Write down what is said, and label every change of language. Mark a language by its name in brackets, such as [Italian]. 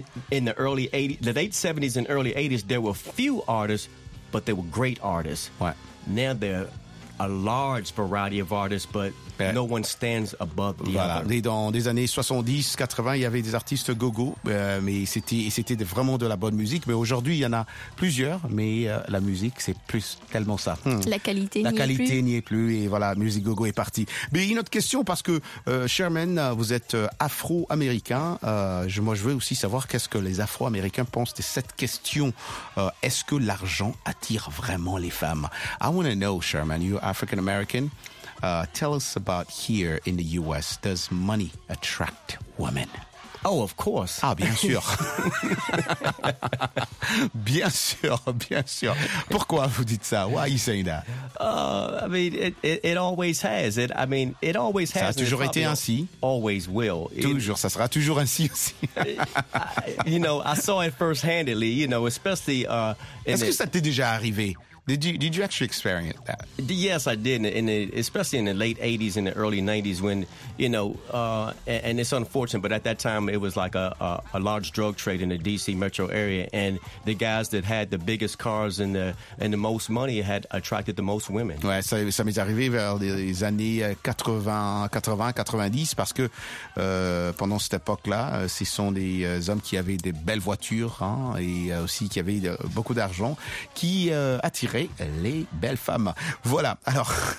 [English] In the early 80s, the late 70s and early 80s, there were few artists, but they were great artists. What? Now there are a large variety of artists, but no one stands above the other. [French] Dans les années 70-80, il y avait des artistes go-go, mais c'était vraiment de la bonne musique. Mais aujourd'hui, il y en a plusieurs, mais la musique, c'est plus tellement ça. La qualité n'y est plus, et voilà, musique go-go est partie. Mais une autre question, parce que Sherman, vous êtes afro-américain. Je veux aussi savoir qu'est-ce que les afro-américains pensent de cette question. Est-ce que l'argent attire vraiment les femmes? [English] I want to know, Sherman, you're African-American. Tell us about here in the U.S. Does money attract women? Oh, of course. [French] Ah, bien sûr. Bien sûr, bien sûr. Pourquoi vous dites ça? [English] Why are you saying that? I mean, it always has. [French] Ça a toujours été ainsi. [English] Always will. [French] Toujours, ça sera toujours ainsi aussi. [English] You know, I saw it first-handedly, you know, especially... [French] Est-ce que ça t'est déjà arrivé? [English] Did you actually experience that? Yes, I did, especially in the late 80s and the early 90s when, you know, and it's unfortunate, but at that time it was like a large drug trade in the D.C. metro area, and the guys that had the biggest cars and the most money had attracted the most women. [French] Ouais, ça m'est arrivé vers les années 80-90, parce que pendant cette époque-là, ce sont des hommes qui avaient des belles voitures, hein, et aussi qui avaient beaucoup d'argent, qui attiraient les belles femmes. Voilà, alors...